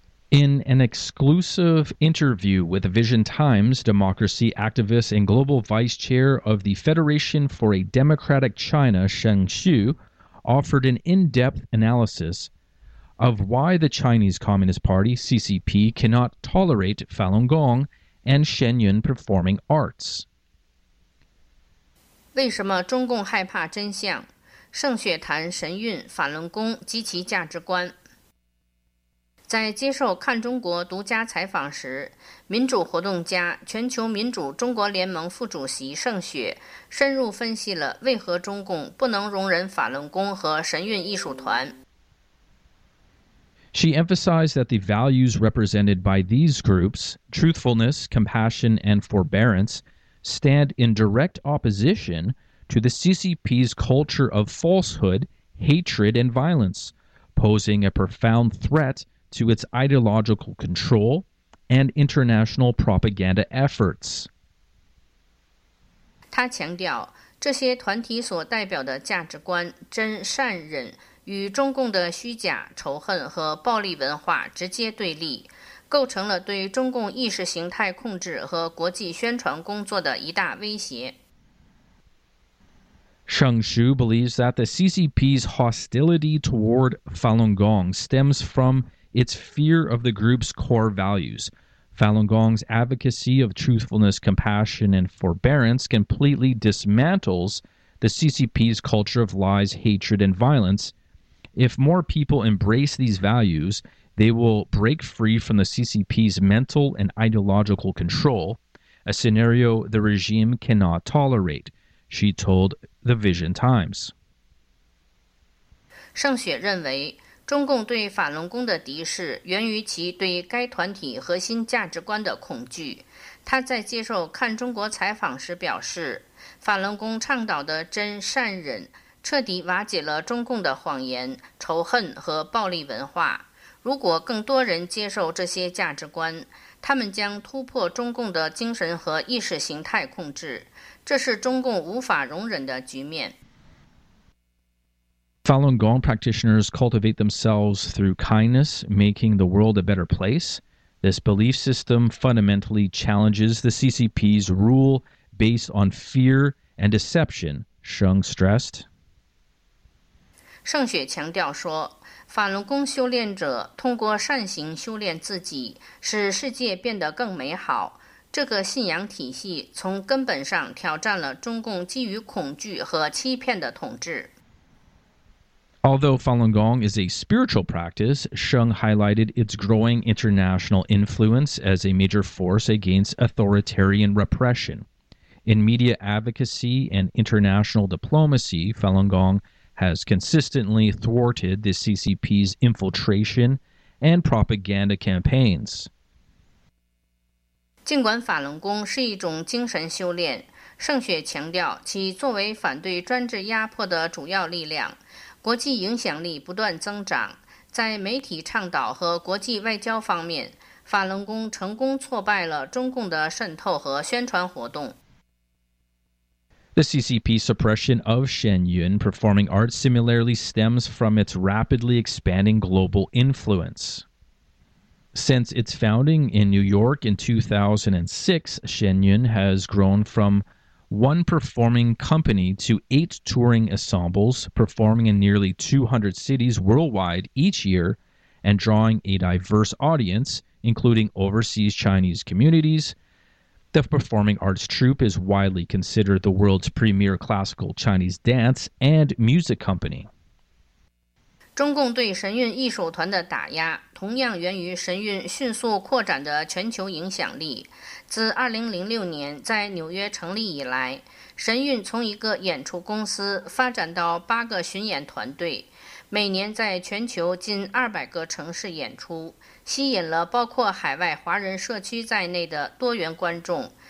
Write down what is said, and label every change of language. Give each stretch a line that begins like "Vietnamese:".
English: In an exclusive interview with Vision Times, democracy activist and global vice chair of the Federation for a Democratic China, Sheng Xu, offered an in-depth analysis of why the Chinese Communist Party, CCP, cannot tolerate Falun Gong and Shen Yun performing arts.
Chinese: 为什么中共害怕真相？盛雪谈神韵、法轮功及其价值观。在接受看中国独家采访时，民主活动家、全球民主中国联盟副主席盛雪深入分析了为何中共不能容忍法轮功和神韵艺术团。
English: She emphasized that the values represented by these groups, truthfulness, compassion, and forbearance, stand in direct opposition to the CCP's culture of falsehood, hatred, and violence, posing a profound threat to its ideological control and international propaganda efforts.
Chinese: 她强调，这些团体所代表的价值观，真、善、忍，与中共的虚假、仇恨和暴力文化直接对立，构成了对中共意识形态控制和国际宣传工作的一大威胁。
English: Sheng Xu believes that the CCP's hostility toward Falun Gong stems from its fear of the group's core values. Falun Gong's advocacy of truthfulness, compassion, and forbearance completely dismantles the CCP's culture of lies, hatred, and violence. If more people embrace these values,they will break free from the CCP's mental and ideological control, a scenario the regime cannot tolerate, she told the Vision Times.
Chinese: 盛雪认为，中共对法轮功的敌视源于其对该团体核心价值观的恐惧。他在接受看中国采访时表示，法轮功倡导的真、善、忍彻底瓦解了中共的谎言、仇恨和暴力文化。如果更多人接受这些价值观，他们将突破中共的精神和意识形态控制，这是中共无法容忍的局面。
English: Falun Gong practitioners cultivate themselves through kindness, making the world a better place. This belief system fundamentally challenges the CCP's rule based on fear and deception, Sheng stressed.
Chinese: 盛雪强调说，法轮功修炼者通过善行修炼自己，使世界变得更美好。这个信仰体系从根本上挑战了中共基于恐惧和欺骗的统治。
English: Although Falun Gong is a spiritual practice, Sheng highlighted its growing international influence as a major force against authoritarian repression. In media advocacy and international diplomacy, Falun Gong has consistently thwarted the CCP's infiltration and propaganda campaigns.
Chinese: 尽管法轮功是一种精神修炼，盛雪强调其作为反对专制压迫的主要力量，国际影响力不断增长。在媒体倡导和国际外交方面，法轮功成功挫败了中共的渗透和宣传活动。
English: The CCP suppression of Shen Yun performing arts similarly stems from its rapidly expanding global influence. Since its founding in New York in 2006, Shen Yun has grown from one performing company to 8 touring ensembles, performing in nearly 200 cities worldwide each year and drawing a diverse audience, including overseas Chinese communities. The performing arts troupe is widely considered the world's premier classical Chinese dance and music company.
Chinese: 中共对神韵艺术团的打压同样源于神韵迅速扩展的全球影响力。自2006年在纽约成立以来，神韵从一个演出公司发展到八个巡演团队，每年在全球近200个城市演出，吸引了包括海外华人社区在内的多元观众。